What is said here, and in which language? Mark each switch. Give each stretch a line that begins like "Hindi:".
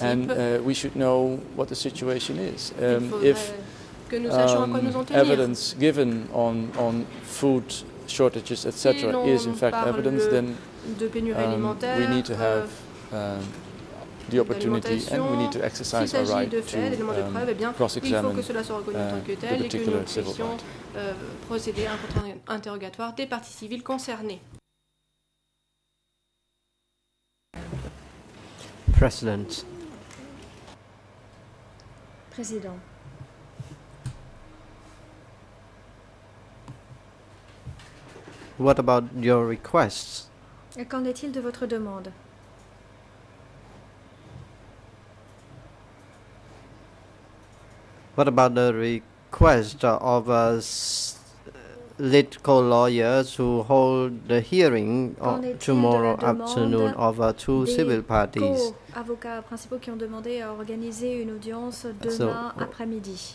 English: And we should know what the situation is. If evidence given on food shortages, etc., is in fact evidence, then we need to have the opportunity and we need to exercise our right to cross-examine the particular civil party.
French: Procéder à un contre-interrogatoire des parties civiles concernées.
English: President.
French: Président.
English: What about your requests?
French: Et qu'en est-il de votre demande?
English: What about the request of litigation lawyers who hold the hearing tomorrow afternoon of two civil parties?
French: Avocats principaux qui ont demandé à organiser une audience demain après-midi.